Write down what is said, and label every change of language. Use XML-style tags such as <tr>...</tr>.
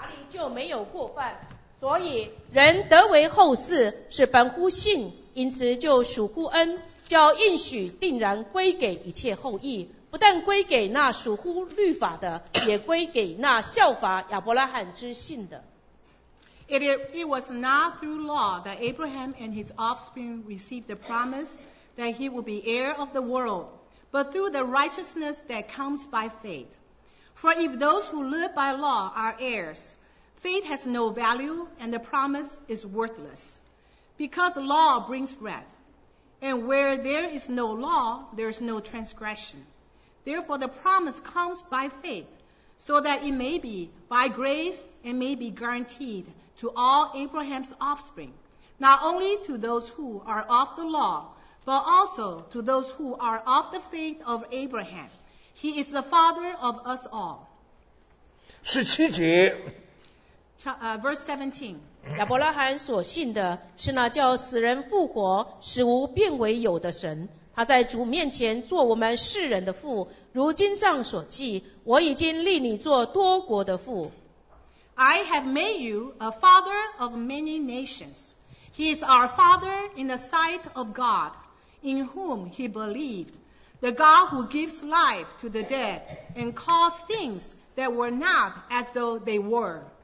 <zh>就没有过犯，所以人得为后嗣是本乎信，因此就属乎恩，叫应许定然归给一切后裔，不但归给那属乎律法的，也归给那效法亚伯拉罕之信的。</zh> <en>It was not through law that Abraham and his offspring received the promise that he would be heir of the world, but through the righteousness that comes by faith. For if those who live by law are heirs,Faith has no value, and the promise is worthless. Because law brings wrath, and where there is no law, there is no transgression. Therefore, the promise comes by faith, so that it may be by grace and may be guaranteed to all Abraham's offspring, not only to those who are of the law, but also to those who are of the faith of Abraham. He is the father of us all.</en> <zh>十七节</zh> <en>Verse 17.</en> <zh>亚伯拉罕所信的是那叫死人复活使无变为有的神，他在主面前做我们世人的父，如经上所记，我已经立你做多国的父。</zh> <en>I have made you a father of many nations. He is our father in the sight of God, in whom he believed, the God who gives life to the dead and calls things that were not as though they were.</en>